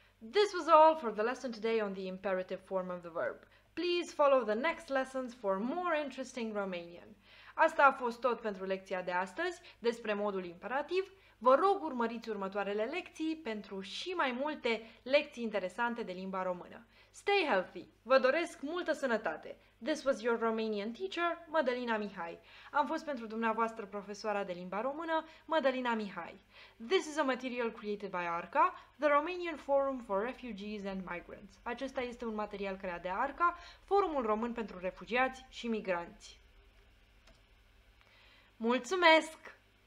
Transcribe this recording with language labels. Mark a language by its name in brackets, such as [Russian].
[English] This was all for the lesson today on the imperative form of the verb. Please follow the next lessons for more interesting Romanian. [Romanian] Asta a fost tot pentru lecția de astăzi despre modul imperativ. Vă rog, urmăriți următoarele lecții pentru și mai multe lecții interesante de limba română. [English] Stay healthy! [Romanian] Vă doresc multă sănătate! [English] This was your Romanian teacher, Mădălina Mihai. [Romanian] Am fost pentru dumneavoastră profesoara de limba română, Mădălina Mihai. [English] This is a material created by ARCA, the Romanian Forum for Refugees and Migrants. [Romanian] Acesta este un material creat de ARCA, Forumul Român pentru Refugiați și Migranți. Mulțumesc!